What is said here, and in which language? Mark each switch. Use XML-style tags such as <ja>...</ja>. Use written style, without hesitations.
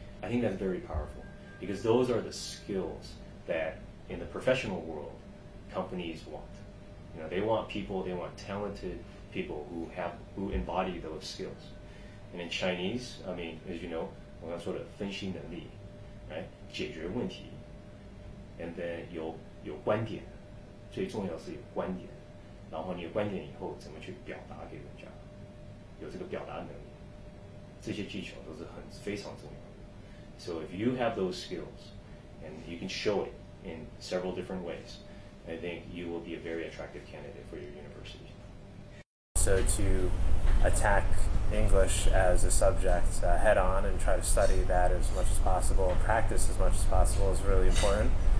<en>I think that's very powerful, because those are the skills that in the professional world companies want. You know, they want people, they want talented people who embody those skills. And in Chinese, I mean, as you know, we're going to sort of</en> <zh>分析能力,</zh> <en>right?</en> <zh>解决问题,</zh> <en>and then</en> <zh>有观点, 最重要是有观点, 然后你有观点以后怎么去表达给人家, 有这个表达能力, 这些技巧都是非常重要的。</zh> <en>So if you have those skills, and you can show it in several different ways, I think you will be a very attractive candidate for your university. So to attack English as a subject head on and try to study that as much as possible and practice as much as possible is really important.</en>